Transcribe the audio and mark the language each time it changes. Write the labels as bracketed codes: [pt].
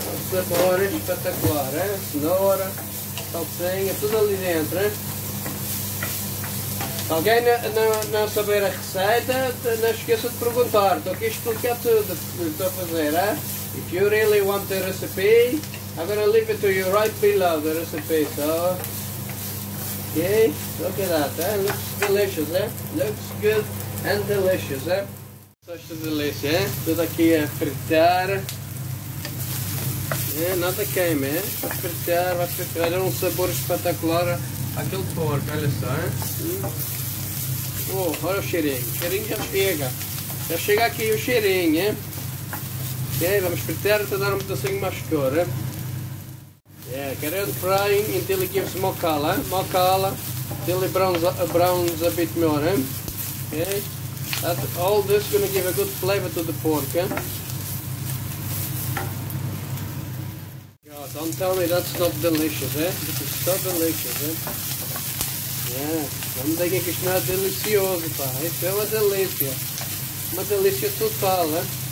[pt] Sabor espetacular, hein? Cenoura, salsinha, tudo ali dentro, hein? Alguém não saber a receita, não esqueça de perguntar. Estou aqui a explicar tudo o que estou a fazer, hein? [en] If you really want the recipe, I'm gonna leave it to you right below the recipe, so... Ok, look at that, eh? Looks delicious, eh? Looks good and delicious, eh? [pt] Só esta delícia, eh? Tudo aqui a fritar. Eh? Nada queima, eh? A fritar, vai ficar um sabor espetacular àquele porco, olha só, eh? Oh, olha o cheirinho já chega. Já chega aqui o cheirinho, eh? Ok, vamos fritar até dar um pedacinho mais cor, eh? [en] Yeah, carry on frying until it gives more color, more color, until it browns a bit more, eh? Okay, that all this gonna give a good flavor to the pork, eh? Yeah, don't tell me that's not delicious, eh? This is so delicious, eh? [pt] Yeah, vamos dizer que isso não é delicioso, pá, isso é uma delícia total, eh?